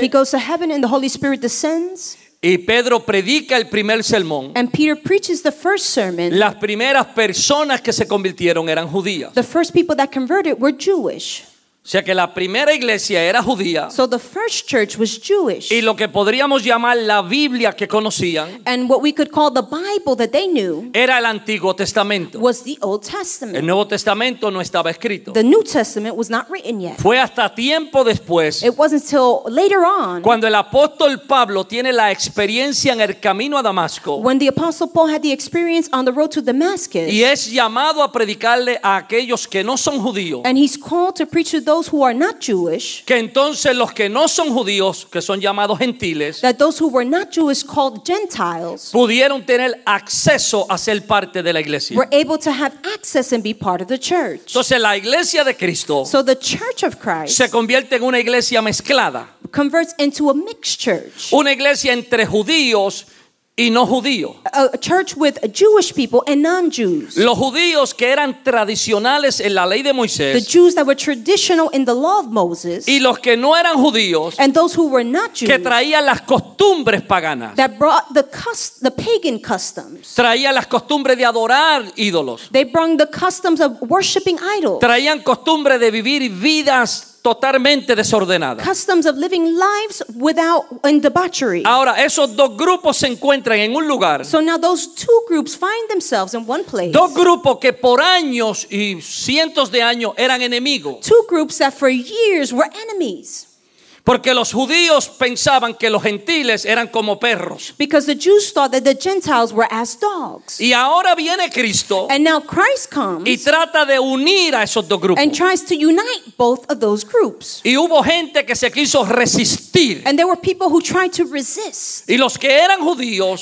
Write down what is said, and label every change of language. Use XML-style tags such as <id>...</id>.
<en>he goes to heaven and the Holy Spirit descends,</en> <es>y Pedro predica el primer sermón.</es> <en>And Peter preaches the first sermon.</en> <es>Las primeras personas que se convirtieron eran judías.</es> <en>The first people that converted were Jewish.</en> <es>O sea que la primera iglesia era judía.</es> <en>So the first church was Jewish.</en> <es>Y lo que podríamos llamar la Biblia que conocían.</es> <en>And what we could call the Bible that they knew.</en> <es>Era el Antiguo Testamento.</es> <en>Was the Old Testament.</en> <es>El Nuevo Testamento no estaba escrito.</es> <en>The New Testament was not written yet.</en> <es>Fue hasta tiempo después.</es> <en>It wasn't until later on.</en> <es>Cuando el apóstol Pablo tiene la experiencia en el camino a Damasco.</es> <en>When the apostle Paul had the experience on the road to Damascus.</en> <es>Y es llamado a predicarle a aquellos que no son judíos.</es> <en>And he's called to preach to those who are not Jewish,</en> <es>que entonces los que no son judíos, que son llamados gentiles,</es> <en>that those who were not Jewish called Gentiles,</en> <es>pudieron tener acceso a ser parte de la iglesia,</es> <en>were able to have access and be part of the church.</en> <es>Entonces la iglesia de Cristo,</es> <en>so the church of Christ,</en> <es>se convierte en una iglesia mezclada,</es> <en>converts into a mixed church,</en> <es>una iglesia entre judíos y no judío.</es> <en>A church with Jewish people and non-Jews.</en> <es>Los judíos que eran tradicionales en la ley de Moisés.</es> <en>The Jews that were traditional in the law of Moses.</en> <es>Y los que no eran judíos.</es> <en>And those who were not Jews.</en> <es>Que traían las costumbres paganas.</es> <en>That brought the pagan customs.</en> <es>Traían las costumbres de adorar ídolos.</es> <en>They brought the customs of worshiping idols.</en> <es>Traían costumbres de vivir vidas totalmente desordenada.</es> <en>Customs of living lives without in debauchery.</en> <es>Ahora esos dos grupos se encuentran en un lugar.</es> <en>So now those two groups find themselves in one place.</en> <es>Dos grupos que por años y cientos de años eran enemigos.</es> <en>Two groups that for years were enemies.</en> <es>Porque los judíos pensaban que los gentiles eran como perros.</es> <en>Because the Jews thought that the Gentiles were as dogs.</en> <es>Y ahora viene Cristo.</es> <en>And now Christ comes.</en> <es>Y trata de unir a esos dos grupos.</es> <en>And tries to unite both of those groups.</en> <es>Y hubo gente que se quiso resistir.</es> <en>And there were people who tried to resist.</en> <es>Y los que eran judíos.</es>